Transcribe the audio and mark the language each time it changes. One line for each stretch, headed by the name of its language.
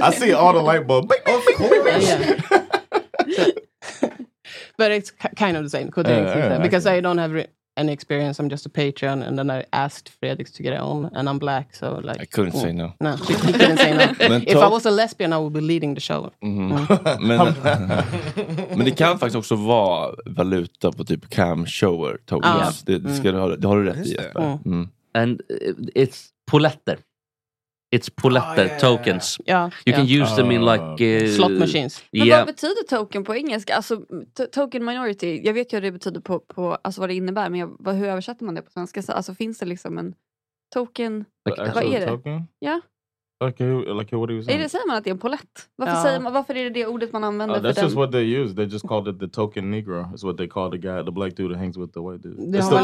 English: I see all the light bulbs. But it's kind of the same. Because I don't have any experience. I'm just a Patreon. And then I asked Fredrik to get it on. And I'm black. So like... I couldn't say no. No. He couldn't say no. If I was a lesbian, I would be leading the show.
Swedish: Men det kan faktiskt också vara valuta på typ cam shower. Det har du rätt i.
English: And it's poletter. It's poletter, tokens. You can use them in like... slot machines.
Swedish: Men vad betyder token på engelska? Alltså,
English: token minority.
Swedish: Jag vet ju vad det betyder på alltså vad det innebär. Men hur översätter man det på svenska? Så, alltså finns det liksom en token?
English: Like,
Swedish: vad är det?
English: Token? Yeah. Like what are you saying?
Swedish: Säger man att det är en polett? Varför är det ordet man använder för den?
English: That's just what they use. They just called it the token negro. It's what they call the guy, the black dude that hangs with the white dude.